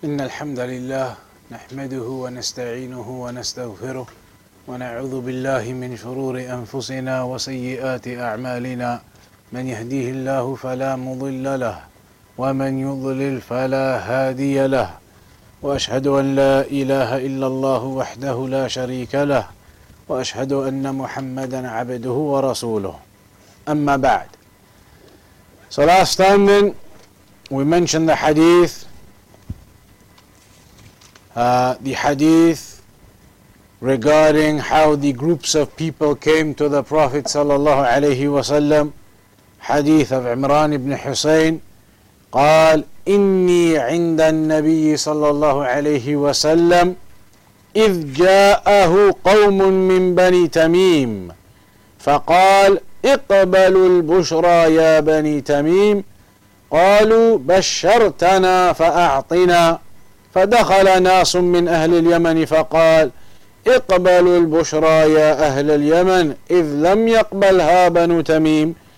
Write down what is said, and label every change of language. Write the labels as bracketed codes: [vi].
[ar] إن الحمد لله نحمده ونستعينه ونستغفره ونعوذ بالله من شرور أنفسنا وسيئات أعمالنا من يهديه الله فلا مضل له ومن يضلل فلا هادي له وأشهد أن لا إله إلا الله وحده لا شريك له وأشهد أن محمدا عبده ورسوله أما بعد. [en] So last time then we mentioned the hadith. The hadith regarding how the groups of people came to the Prophet sallallahu alayhi wa sallam. Hadith of Imran ibn Husayn. [ar] قال إني عند النبي صلى الله عليه وسلم إذ جاءه قوم من بني تميم فقال اقبلوا البشرى يا بني تميم قالوا بشرتنا فأعطنا فدخل ناس من أهل اليمن فقال اقبلوا البشرى يا أهل اليمن إذ لم يقبلها بنو تميم